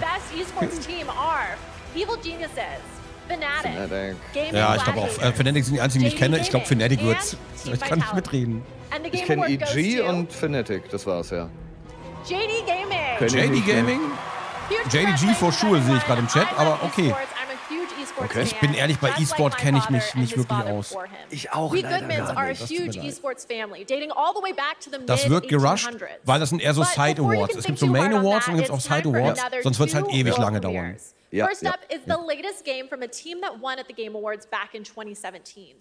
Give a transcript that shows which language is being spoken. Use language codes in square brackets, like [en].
[en] The nominees for best Esports team are Evil Geniuses, Fnatic. [de] Ja, ich glaube auch. Fnatic sind die einzigen, die ich kenne. Ich glaube, Fnatic wird's. Vielleicht kann ich mitreden. Ich kenne EG und Fnatic. Das war's, ja. JD Gaming. JD Gaming? JDG [en] for sure, [de] sehe ich gerade im Chat. Aber okay. Okay. Ich bin ehrlich, bei E-Sport kenne ich mich nicht wirklich aus. Ich auch leider gar nicht. Das wird gerusht, weil das sind eher so Side-Awards. Es gibt so Main-Awards und dann gibt's auch Side-Awards. Sonst wird's halt ewig lange dauern. [en] Yep, first up yep, is the latest game from a team that won at the Game Awards back in 2017.